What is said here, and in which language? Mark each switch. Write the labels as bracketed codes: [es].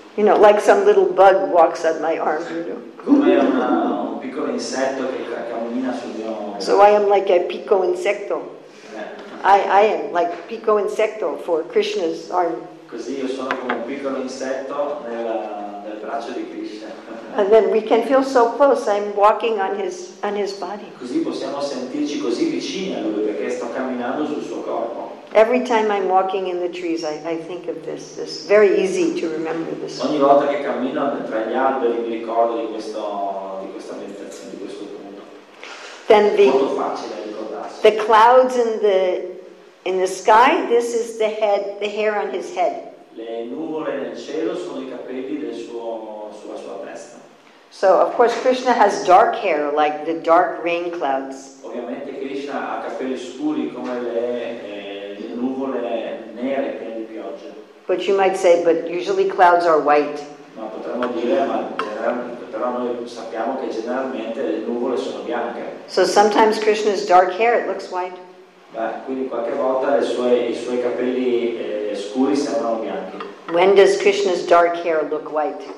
[en] You know, like some little bug walks on my arm, you know. [it] Come un piccolo insetto che cammina sul mio arm. [en] So I am like a [es] pico insecto. [en] I am like pico insecto for Krishna's arm. [it] Così io sono come un piccolo insetto nel braccio di Krishna. [en] And then we can feel so close. I'm walking on his body. [it] Così possiamo sentirci così vicini a lui perché sto camminando sul suo corpo. [en] Every time I'm walking in the trees, I think of this. This very easy to remember this. [it] Ogni volta che cammino tra gli alberi mi ricordo di questa meditazione, di questo punto. [en] Then the [it] molto facile ricordarsi. [en] The clouds in the sky. This is the head, the hair on his head. [it] Le nuvole nel cielo sono i capelli sulla sua testa. [en] So of course Krishna has dark hair like the dark rain clouds. [it] Ovviamente Krishna ha capelli scuri come le nuvole nere piene di pioggia. [en] But you might say, but usually clouds are white. [it] Ma potremmo dire, ma però noi sappiamo che generalmente le nuvole sono bianche. [en] So sometimes Krishna's dark hair it looks white. [it] Beh, quindi qualche volta i suoi capelli scuri sembrano bianchi. [en] When does Krishna's dark hair look white?